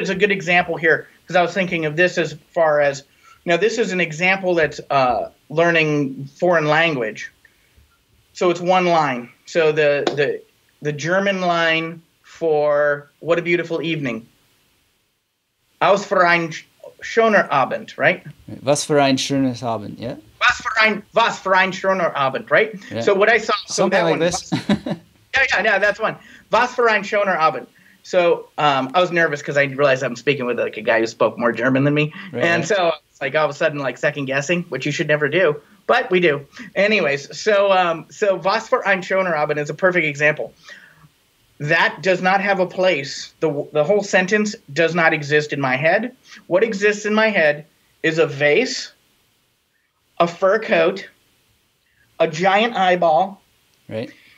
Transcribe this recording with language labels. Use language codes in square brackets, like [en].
[en] It's a good example here because I was thinking of this as far as, now, this is an example that's learning foreign language. So it's one line. So the German line for what a beautiful evening. [de] Aus für ein schöner Abend, right? Was für ein schönes Abend, yeah? Was für ein schöner Abend, right? [en] Yeah. So what I saw. Something that like one, this. yeah, that's one. [de] Was für ein schöner Abend. [en] So I was nervous because I realized I'm speaking with like a guy who spoke more German than me. Right. And so like all of a sudden, like second guessing, which you should never do, but we do. Anyways, so Was für ein schöner Abend is a perfect example. That does not have a place. The whole sentence does not exist in my head. What exists in my head is a vase, a fur coat, a giant eyeball. Right.